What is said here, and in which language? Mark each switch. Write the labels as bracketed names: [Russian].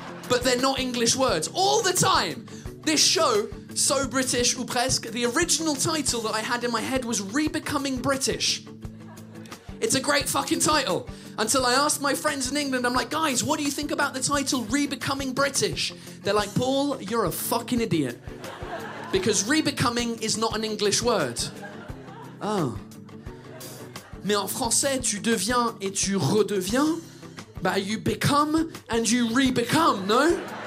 [English] But they're not English words. All the time! This show, So British ou Presque, the original title that I had in my head was Re-Becoming British. It's a great fucking title. Until I asked my friends in England, I'm like, guys, what do you think about the title Re-Becoming British? They're like, Paul, you're a fucking idiot. Because re-becoming is not an English word. Oh. [French] Mais en français, tu deviens et tu redeviens. [English] Bah, you become and you re-become, no?